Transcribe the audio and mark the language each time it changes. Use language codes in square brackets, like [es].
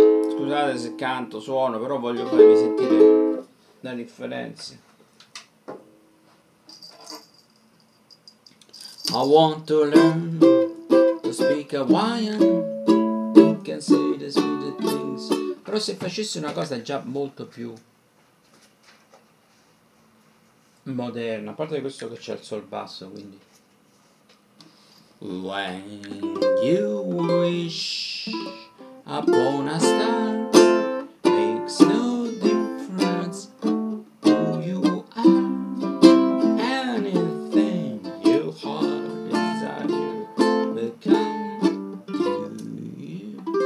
[it] Scusate se canto, suono, però voglio farvi sentire la differenza. [en] I want to learn to speak Hawaiian, you can say the sweet things. [it] Però se facessi una cosa già molto più moderna, a parte questo che c'è il sol basso, quindi. [en] When you wish upon a star, makes no difference who you are. Anything your heart desires will come to you.